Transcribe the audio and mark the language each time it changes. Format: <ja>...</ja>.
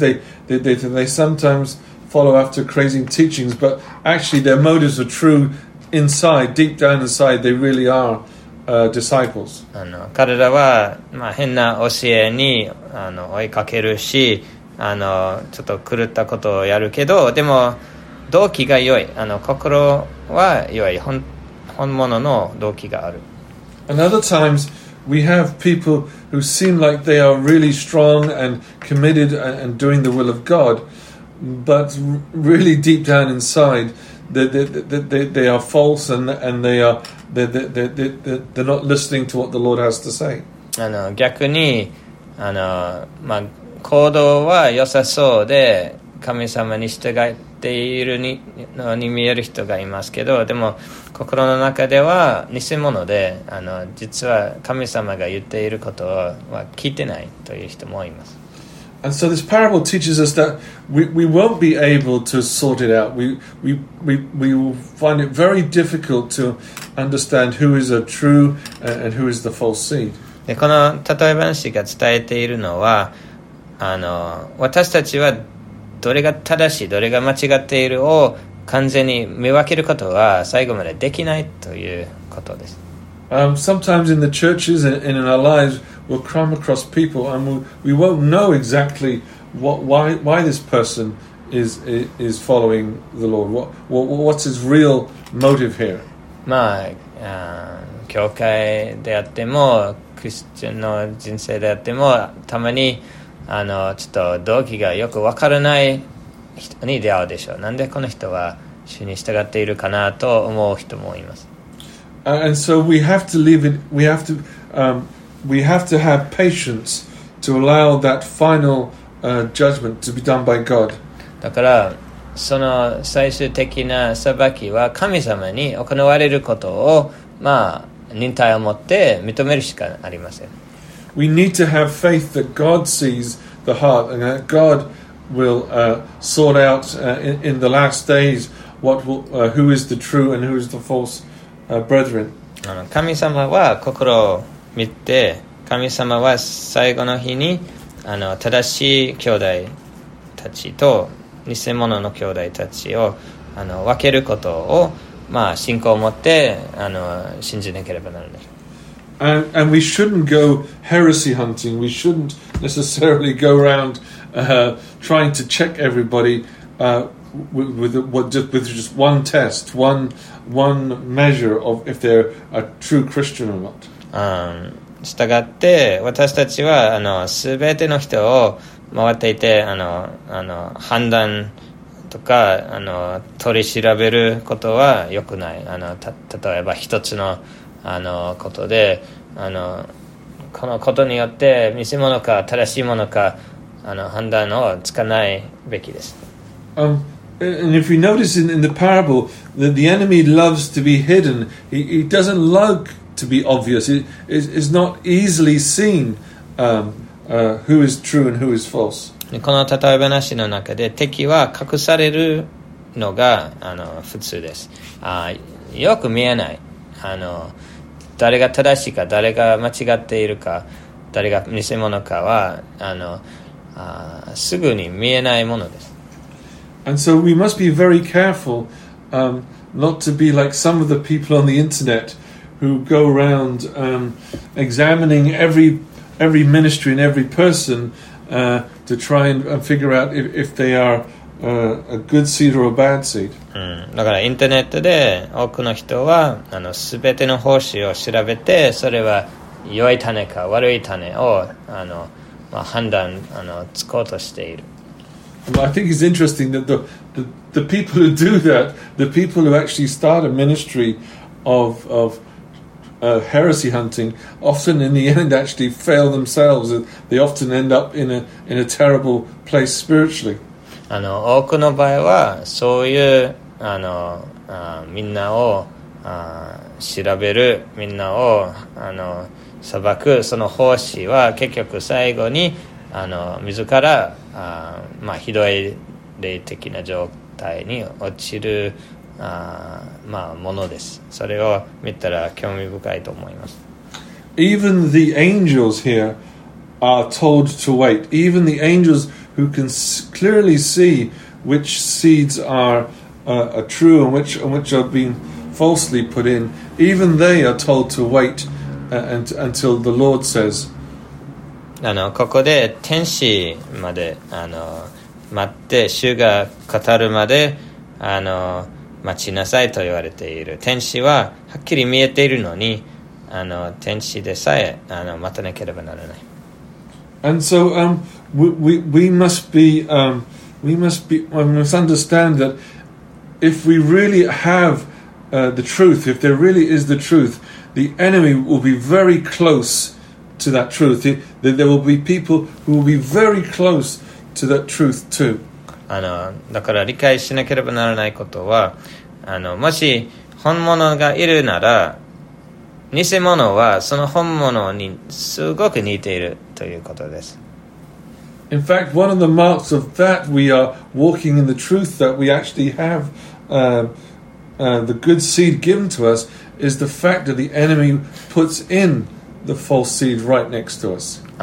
<en>They sometimes follow after crazy teachings, but actually their motives are true inside, deep down inside. They really areDisciples.</en> <ja>彼らは、変な教えに追いかけるし、ちょっと狂ったことをやるけど、でも動機が良い、心は良い、本物の動機がある。</ja> <en>And other times we have people who seem like they are really strong and committed and doing the will of God, but really deep down inside they are false and they are they're not listening to what the Lord has to say.</en> <ja>あの逆にあのまあ行動は良さそうで神様に従っているにのに見える人がいますけど、でも心の中では偽物で、あの実は神様が言っていることは聞いてないという人もいます。</ja> <en>And so this parable teaches us that we won't be able to sort it out. We will find it very difficult to understand who is a true and who is the false seed.</en> <ja>でこの例え話が伝えているのは、あの私たちはどれが正しい、どれが間違っているを完全に見分けることは最後までできないということです。</ja> <en>Sometimes in the churches and in our lives, we'll come across people and we won't know exactly why this person is following the Lord. What's his real motive here?</en> <ja>まあ、教会であっても、クリスチャンの人生であっても、たまにあのちょっと動機がよくわからない人に出会うでしょう。なんでこの人は主に従っているかなと思う人もいます。</ja> <en>And so we have to leave it. We have to have patience to allow that final judgment to be done by God.</en> <ja>だからその最終的な裁きは神様に行われることをまあ忍耐を持って認めるしかありません。</ja> <en>We need to have faith that God sees the heart and that God will sort out in the last days what will, who is the true and who is the false brethren.</en> <ja>神様は心を見て、神様は最後の日にあの正しい兄弟たちと偽物の兄弟たちをあの分けることを、まあ、信仰を持ってあの信じなければならない。</ja> <en>And we shouldn't go heresy hunting. We shouldn't necessarily go around trying to check everybody with just one test, one measure of if they're a true Christian or not.</en> <ja>従って私たちはあの全ての人を回っていてあの判断とかあの取り調べることは良くない。あの例えば一つのあのことで。あのこのことによって偽物か正しいものかあの判断をつかないべきです。</ja> <en>And if you notice in the parable that the enemy loves to be hidden, he doesn't like to be obvious. It's not easily seen who is true and who is false.</en> <ja>この例え話の中で敵は隠されるのがあの普通です。よく見えない。あの誰が正しいか、誰が間違っているか、誰が偽物かはあのあすぐに見えないものです。</ja> <en>And so we must be very careful not to be like some of the people on the internet who go around examining every ministry and every person to try and figure out if they are a good seed or a bad seed.</en> <ja>だからインターネットで多くの人はあの全ての奉仕を調べてそれは良い種か悪い種をあの、まあ、判断あのつこうとしている。</ja> <en>Well, I think it's interesting that the people who do that, the people who actually start a ministry of heresy hunting, often in the end actually fail themselves. They often end up in a terrible place spiritually.</en> <ja>あの多くの場合はそういうあのあみんなをあ調べるみんなをあの裁くその奉仕は結局最後にあの自らあ、まあ、ひどい霊的な状態に落ちるあ、まあ、ものです。それを見たら興味深いと思います。</ja> <en>Even the angels here are told to wait. Even the angelswho can clearly see which seeds are true and which are being falsely put in, even they are told to wait until the Lord says.</en> <ja>あのここで天使まであの待って主が語るまであの待ちなさいと言われている。天使ははっきり見えているのにあの天使でさえあの待たなければならない。</ja> <en>And so we must understand that if we really have the truth, if there really is the truth, the enemy will be very close to that truth. There will be people who will be very close to that truth too.</en> <ja>だから理解しなければならないことは、もし本物がいるなら、偽物はその本物にすごく似ているということです。</ja> <en>In fact, one of the marks of that we are walking in the truth that we actually have the good seed given to us is the fact that the enemy puts in the false seed right next to us.</en>